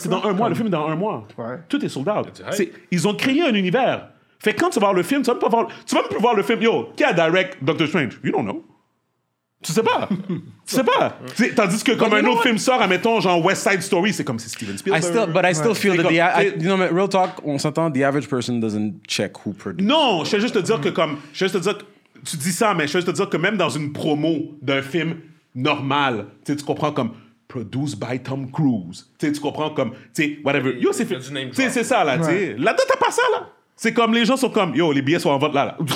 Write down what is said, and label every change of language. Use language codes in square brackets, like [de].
[fr] C'est dans un mois. Le film est dans un mois. Ouais. Tout est sold out. C'est, ils ont créé un univers. Fait que quand tu vas voir le film, tu vas même pas voir le film. Yo, qui a direct Doctor Strange? [en] You don't know. [fr] Tu sais pas. Tu sais pas. T'sais, tandis que comme un autre film sort, admettons, genre West Side Story, c'est comme c'est Steven Spielberg. [en] I still feel that real talk, [fr] on s'entend, [en] the average person doesn't check who produced. [fr] Non, je vais juste te dire que comme, je vais juste te dire, tu dis ça, mais je vais juste te dire que même dans une promo d'un film normal, tu sais, tu comprends comme... [en] Produced by Tom Cruise. [fr] Tu sais, tu comprends comme, tu sais, whatever. Yo, c'est film. Tu sais, c'est ça là, tu sais. Là, t'as pas ça là. C'est comme les gens sont comme yo les billets sont en vente là.